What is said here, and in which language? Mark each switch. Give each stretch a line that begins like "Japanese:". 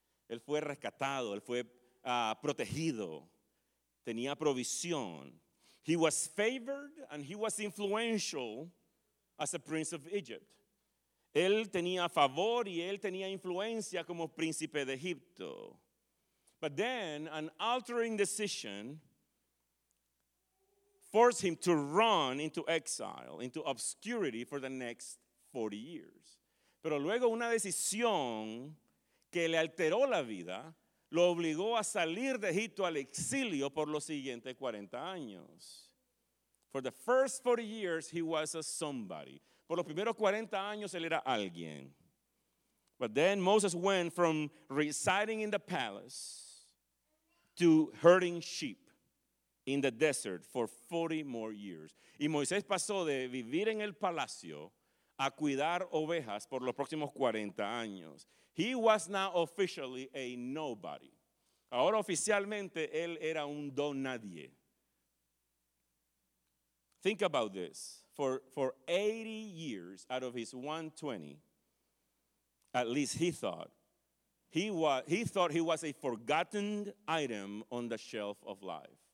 Spanish: Él fue rescatado, él fue protegido, tenía provisión.
English: He was favored and he was influential as a prince of Egypt.
Spanish: Él tenía favor y él tenía influencia como príncipe de Egipto.
English: But then an altering decision forced him to run into exile, into obscurity for the next 40 years.
Spanish: Pero luego una decisión que le alteró la vida lo obligó a salir de Egipto al exilio por los siguientes 40 años.
English: For the first 40 years, he was a somebody.
Spanish: Por los primeros 40 años, él era alguien.
English: But then Moses went from residing in the palace to herding sheep in the desert for 40 more years.
Spanish: Y Moisés pasó de vivir en el palacio a cuidar ovejas por los próximos 40 años.
English: He was now officially a nobody.
Spanish: Ahora oficialmente él era un don nadie.
English: Think about this. For 80 years out of his 120, at least he thought, he thought he was a forgotten item on the shelf of life.